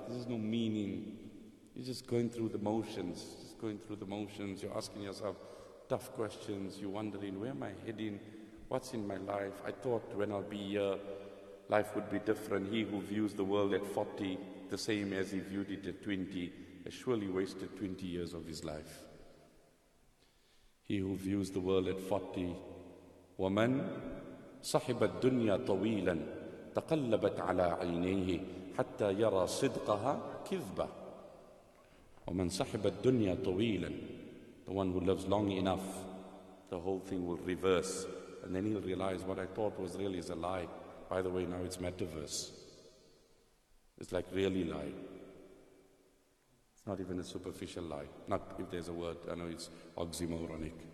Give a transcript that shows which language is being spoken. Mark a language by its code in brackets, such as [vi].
[en] There's no meaning. You're just going through the motions, You're asking yourself tough questions. You're wondering, where am I heading? What's in my life? I thought when I'll be here, life would be different. He who views the world at 40, the same as he viewed it at 20, has surely wasted 20 years of his life. He who views the world at 40, woman, [ar] صحب الدنيا طويلا تقلبت على عينيه حتى يرى صدقها كذبة. ومن صحب الدنيا طويلا, [en] the one who lives long enough, the whole thing will reverse, and then he'll realize what I thought was really is a lie. By the way, now it's metaverse. It's like really lie. It's not even a superficial lie. Not if there's a word. I know it's oxymoronic.